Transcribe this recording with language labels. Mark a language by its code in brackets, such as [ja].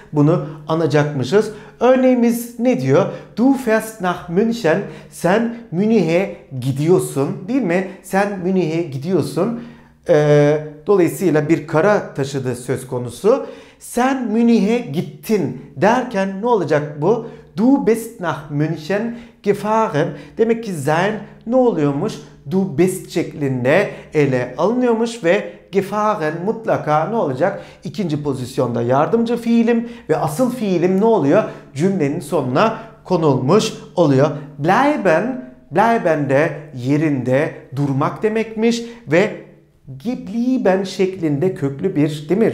[tr] Bunu anacakmışız. Örneğimiz ne diyor? [de] Du fährst nach München. [tr] Sen Münih'e gidiyorsun, değil mi? Sen Münih'e gidiyorsun. Dolayısıyla bir kara taşıdı söz konusu. Sen Münih'e gittin derken ne olacak bu? [de] Du bist nach München gefahren. [tr] Demek ki sein ne oluyormuş? Du bist şeklinde ele alınıyormuş ve gefahren mutlaka ne olacak? İkinci pozisyonda yardımcı fiilim ve asıl fiilim ne oluyor? Cümlenin sonuna konulmuş oluyor. Bleiben, bleiben de yerinde durmak demekmiş ve geblieben şeklinde köklü bir, değil mi?